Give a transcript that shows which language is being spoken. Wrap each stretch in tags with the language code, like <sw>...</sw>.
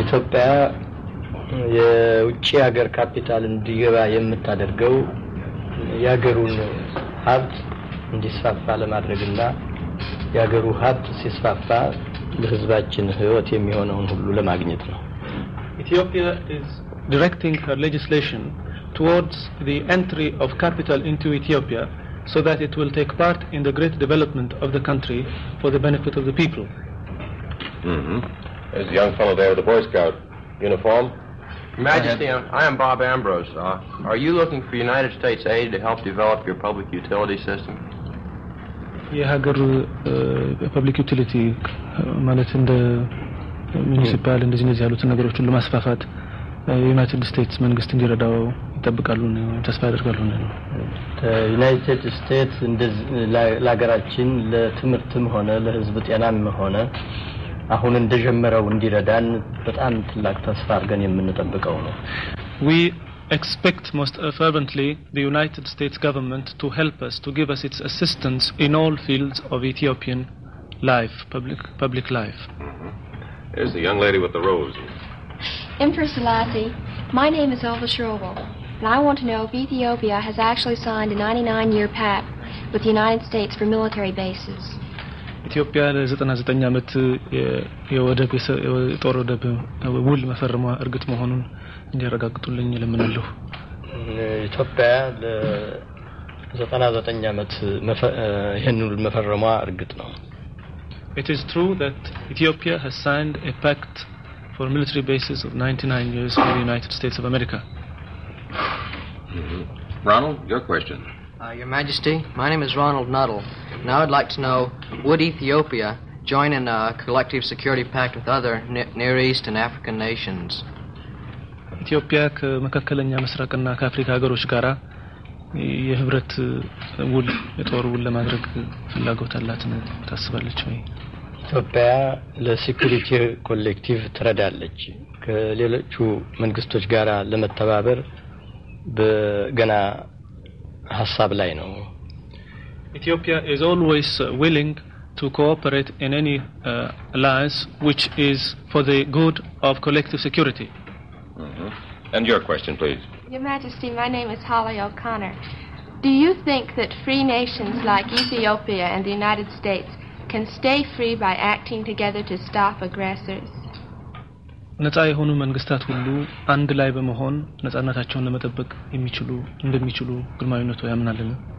<en>Ethiopia has a capital in Ethiopia.</en> <am>ያገሩ ሀብት ሲስፋፋ ለህዝባችን ህይወት የሚሆነውን ሁሉ ለማግኘት ነው</am> <en>Ethiopia is directing her legislation towards the entry of capital into Ethiopia so that it will take part in the great development of the country for the benefit of the people As a young fellow there with a Boy Scout uniform Majesty, I am Bob Ambrose are you looking for United States aid to help develop your public utility system?</en> <am>የሀገር ፐብሊክ ዩቲሊቲ ማለት እንደ ሙኒሲፓል እንደዚህ እንደዚህ ያሉት ነገሮችን ለማስፋፋት ዩናይትድ ስቴትስ መንግስት እንዲረዳው ይጠብቃሉ ነው ተስፋ ያደርጋሉ ነው ዩናይትድ ስቴትስ እንደዚህ ለሀገራችን ለትምርትም ሆነ ለህዝብ ጤናም ሆነ አሁን እንደጀመረው እንዲረዳን በጣም ትላቅ ተስፋ አርገን የምንጠብቀው ነው</am> <en>we expect most fervently the United States government to help us to give us its assistance in all fields of Ethiopian life public life Here's the young lady with the rose Empress Selassie my name is Olga Shirova and I want to know if Ethiopia has actually signed a 99 year pact with the United States for military bases Ethiopia has</en> <am>99 amet የወደብ የጦር ወደብ ውል መፈረሟ እርግጥ መሆኑን እንዲረጋግጡልኝ ለምንለሁ ኢትዮጵያ ለ 99 አመት ይሄንን መፈረሟ እርግጥ ነው</am> <en>It is true that Ethiopia has signed a pact for military bases of 99 years with the United States of America Ronald your question Your Majesty my name is Ronald Nuttall and I would like to know would Ethiopia join in a collective security pact with other Near East and African nations</en> <am>ኢትዮጵያ ከመከከለኛ መስራቅና ከአፍሪካ ሀገሮች ጋራ የህብረት ውል የጦር ውል ለማድረግ ፍላጎት አላት ነው ታስባለች ወይ ኢትዮጵያ ለሴኩሪቲ ኮሌክቲቭ ትረዳለች ከሌሎቹ መንግስቶች ጋራ ለመተባበር በገና ሐሳብ ላይ ነው</am> <en>Ethiopia is always willing to cooperate in any alliance which is for the good of collective security And your question, please. Your Majesty, my name is Holly O'Connor. Do you think that free nations like Ethiopia and the United States can stay free by acting together to stop aggressors?</en> <am>ነጻ የሆኑ መንግስታት ሁሉ አንድ ላይ በመሆን ነጻነታቸውን ለመጠበቅ የሚችሉ እንደሚችሉ ግልማዊነቱ ያምናልን?</am>